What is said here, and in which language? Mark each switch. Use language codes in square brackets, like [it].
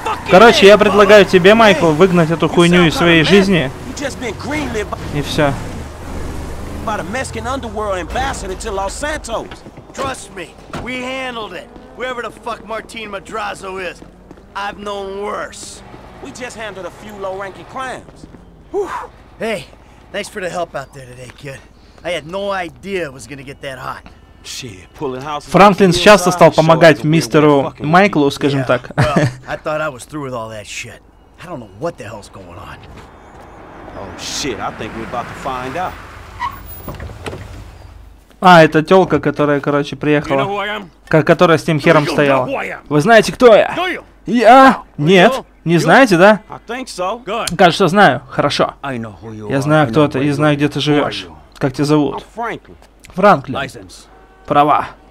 [ru] Короче, я предлагаю тебе, Майкл, выгнать эту хуйню из своей жизни. И все. [en] By the Mexican underworld ambassador to Los Santos. Trust me, we handled it. Wherever the fuck Martín Madrazo is, I've known worse. We just handled a few low-ranking crimes. Whew. Hey, thanks for the help out there today, kid. I had no idea it was gonna get that hot. [ru] Франклин часто стал помогать мистеру Майклу, скажем так. [en] I thought I was through with all that shit. I don't know what the hell's going on. Oh shit, I think we're about to find out. [ru] А, это тёлка, которая, короче, приехала. Которая с тем хером стояла. Вы знаете, кто я? Я? Нет. Не знаете, да? Кажется, знаю. Хорошо. Я знаю, кто ты, и знаю, где ты живешь. Как тебя зовут? Франклин. Права.